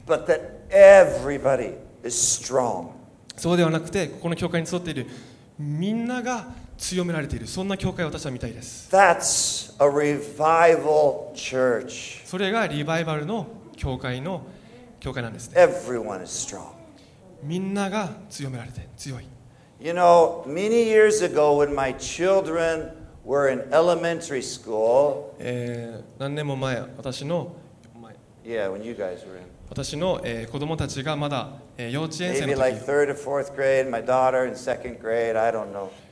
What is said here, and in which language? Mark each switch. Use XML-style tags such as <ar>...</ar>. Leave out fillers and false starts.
<en>But that everybody is strong.</en> <ja>そうではなくて、ここの教会に集っているみんなが強められているそんな教会を私は見たいです。</ja> <en>That's a revival church.</en> <ja>それがリバイバルの教会の教会なんですね。</ja> <en>Everyone is strong.</en> <ja>みんなが強められて強い。</ja> <en>You know, many years ago when my children were in elementary school,</en> <ja>何年も前、私の、</ja> <en>Yeah, when you guys were in.</en> <ja>私の、子供たちがまだ、幼稚園生の時。</ja> <en>Maybe like third or fourth grade, my daughter in second grade, I don't know.</en>